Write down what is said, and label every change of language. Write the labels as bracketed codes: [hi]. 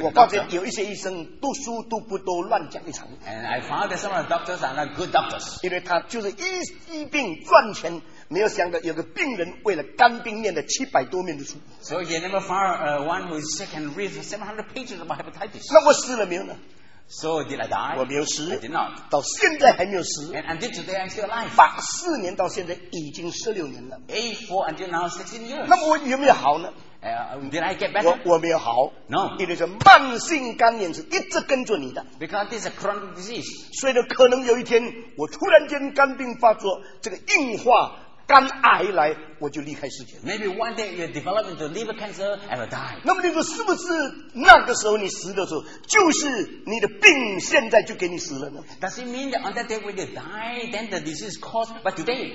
[en] the doctor [zh] 我发现有一些医生读书读不多乱讲一场 [en] AndI found that some of the doctors are not good doctors. [zh] 因为他就是医病赚钱，没有想到有个病人为了肝病念了700多面的书。 [en] So he never found one who is sick and reads 700 pages about hepatitis. [zh] 那我死了没有呢？ [en] So did I die? [zh] 我没有死, [en] I did not. [zh] 到现在还没有死, [en] and until today I'm still alive. [zh] 84年到现在已经16年了, [en] 84 until now 16 years. [zh] 那么我有没有好呢? [en] Did I get better? [zh] 我没有好, [en] no. [zh] 因为是慢性肝炎是一直跟着你的, [en] because this is a chronic disease. [zh] 所以可能有一天我突然间肝病发作, 这个硬化, 肝癌来, [en] maybe one day you develop into liver cancer and will die. [zh] 那么你说是不是那个时候你死的时候就是你的病现在就给你死了呢? [en] Does it mean that on that day when you die then the disease caused by today?